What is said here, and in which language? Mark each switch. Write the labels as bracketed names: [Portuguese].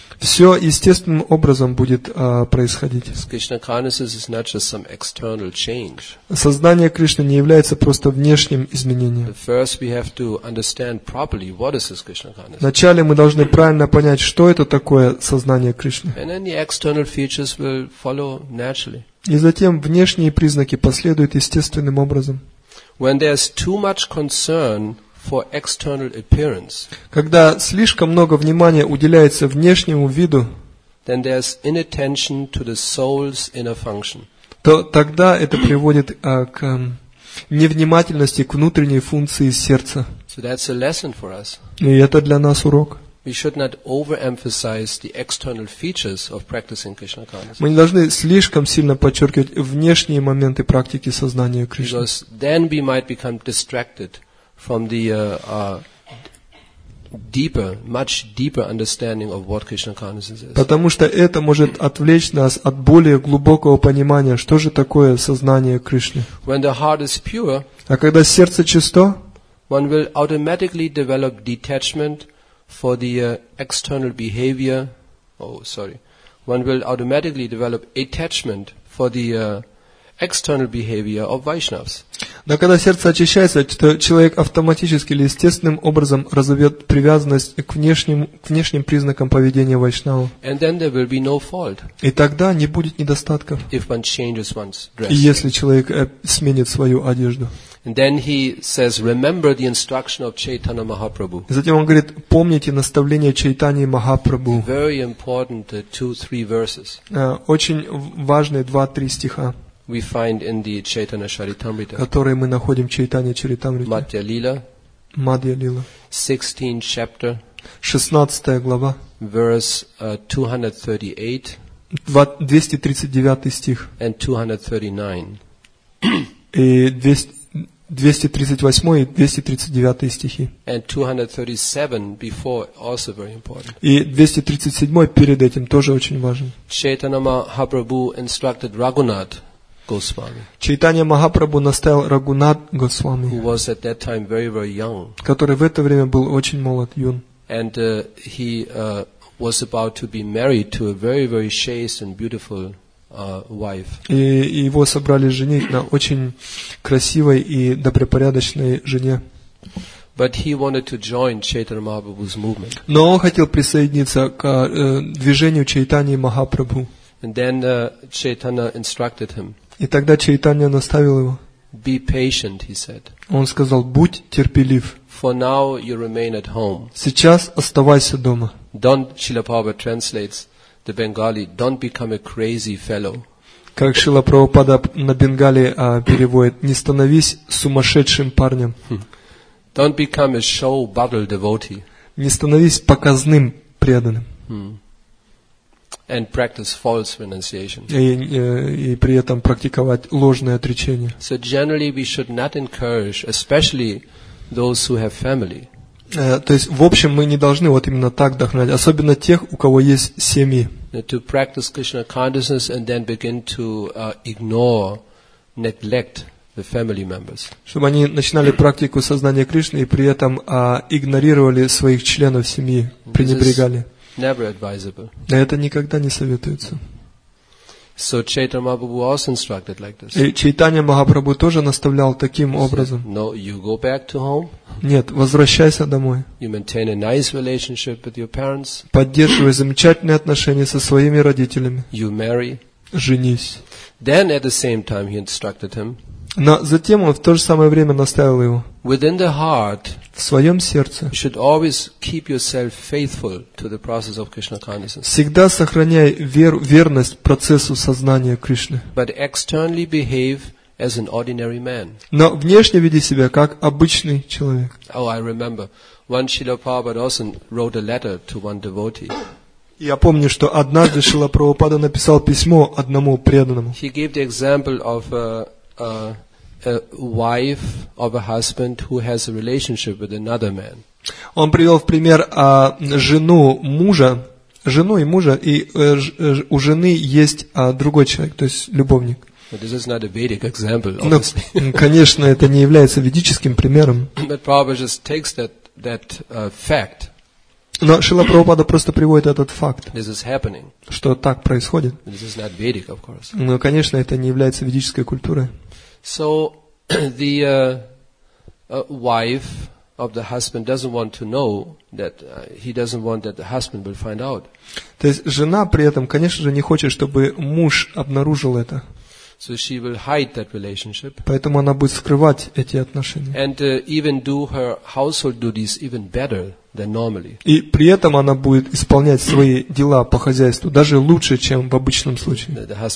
[Russian] Все естественным образом будет происходить. [English] Krishna consciousness is not just some external change. [Russian] Сознание Кришны не является просто внешним изменением. [English] First, we have to understand properly what is this Krishna consciousness. [Russian] Вначале мы должны правильно понять, что это такое сознание Кришны. [English] And then the external features will follow naturally. [Russian] И затем внешние признаки последуют естественным образом. [English] When there's too much concern for external appearance. [Russian] Когда слишком много внимания уделяется внешнему виду, [English] then there's inattention to the soul's inner function. [Russian] То тогда это приводит к невнимательности к внутренней функции сердца. [English] So that's a lesson for us. [Russian] И это для нас урок. [English] We should not overemphasize the external features of practicing Krishna consciousness. [Russian] Мы не должны слишком сильно подчеркивать внешние моменты практики сознания Кришны. [English] Because then we might become distracted from the deeper, much deeper understanding of what Krishna consciousness is. [Russian] Потому что это может отвлечь нас от более глубокого понимания, что же такое сознание Кришны. [English] When the heart is pure, [Russian] а когда сердце чисто, [English] one will automatically develop detachment for the external behavior. One will automatically develop attachment for the external behavior of Vaishnavas. [Russian] Но когда сердце очищается, то человек автоматически или естественным образом разовьет привязанность к внешним признакам поведения Вайшнава. [English] And then there will be no fault. [Russian] И тогда не будет недостатков. [English] If one changes one's dress. [Russian] И если человек сменит свою одежду. [English] And then he says, "Remember the instruction of Chaitanya Mahaprabhu." [Russian] Затем он говорит, помните наставление Чайтани Махапрабху. [English] Very important 2-3 verses. [Russian] Очень важные 2-3 стиха. [English] We find in the Chaitanya Charitamrita. [Russian] Которые мы находим в Чайтанья Чаритамрите. Матья Лила. Мадья Лила. [English] 16 chapter. [Russian] 16 глава. [English] Verse 238. [Russian] 239 стих. [English] And 239. [Russian] И 238 и 239 стихи. [English] And 237 before also very important. [Russian] И 237 перед этим тоже очень важен. [English] Chaitanya Mahaprabhu instructed Raghunath Госвами. [Russian] Чайтанья Махапрабху наставил Рагунат Госвами, [English] who was at that time very, very young, [Russian] который в это время был очень молод, юн. [English] And he was about to be married to a very, very chaste and beautiful wife. [Russian] И его собрались женить на очень красивой и добропорядочной жене. [English] But he wanted to join Chaitanya Mahaprabhu's movement. [Russian] Но он хотел присоединиться к движению Чайтаньи Махапрабху. [English] And then Chaitanya instructed him. [Russian] И тогда Чайтанья наставил его. [English] Be patient, he said. [Russian] Он сказал, будь терпелив. [English] For now you remain at home. [Russian] Сейчас оставайся дома. [English] Don't, Srila Prabhupada translates the Bengali, don't become a crazy fellow. [Russian] Как Шрила Прабхупада на Бенгали переводит, не становись сумасшедшим парнем. [English] Don't become a show-buddle devotee. [Russian] Не становись показным преданным. [English] And practice false renunciation. [Russian] И при этом практиковать ложное отречение. [English] So generally we should not encourage, especially those who have family. [Russian] То есть в общем мы не должны вот именно так вдохновлять, особенно тех, у кого есть семьи. [English] To practice Krishna consciousness and then begin to ignore, neglect the family members. [Russian] Чтобы они начинали практику сознания Кришны и при этом игнорировали своих членов семьи, пренебрегали. [English] Never advisable. [Russian] Да, это никогда не советуется. [English] So Chaitanya Mahaprabhu was instructed like this. [Russian] И Чайтанья Махапрабху тоже наставлял таким образом. [English] No, you go back to home. [Russian] Нет, возвращайся домой. [English] You maintain a nice relationship with your parents. [Russian] Поддерживай замечательные отношения со своими родителями. [English] You marry. [Russian] Женись. [English] Then at the same time he instructed him. [Russian] Но затем он в то же самое время наставил его. [English] Within the heart, [Russian] в своем сердце [English] you should always keep yourself faithful to the process of Krishna consciousness. [Russian] Всегда сохраняй верность процессу сознания Кришны. [English] But externally behave as an ordinary man. [Russian] Но внешне веди себя как обычный человек. [English] Oh, I remember. Once Srila Prabhupada also wrote a letter to one devotee. [Russian] Я помню, что однажды Шрила Прабхупада написал письмо одному преданному. [English] He gave the example of a wife of a husband who has a relationship with another man. [Russian] Он привел в пример жену и мужа, и у жены есть другой человек, то есть любовник. [English] But this is not a Vedic example, obviously. [Russian] Но, конечно, это не является ведическим примером. [English] But Prabhupada just takes that fact. [Russian] Но Шрила Прабхупада просто приводит этот факт, [English] this is happening, [Russian] что так происходит. [English] This is not Vedic, of course. [Russian] Но, конечно, это не является ведической культурой. [English] So the wife of the husband doesn't want to know that he doesn't want that the husband will find out. [Russian] То есть жена при этом, конечно же, не хочет, чтобы муж обнаружил это. [English] So she will hide that relationship. [Russian] Поэтому она будет скрывать эти отношения. [English] And even do her household duties even better [Russian] И при этом она будет исполнять свои дела по хозяйству даже лучше, чем в обычном случае.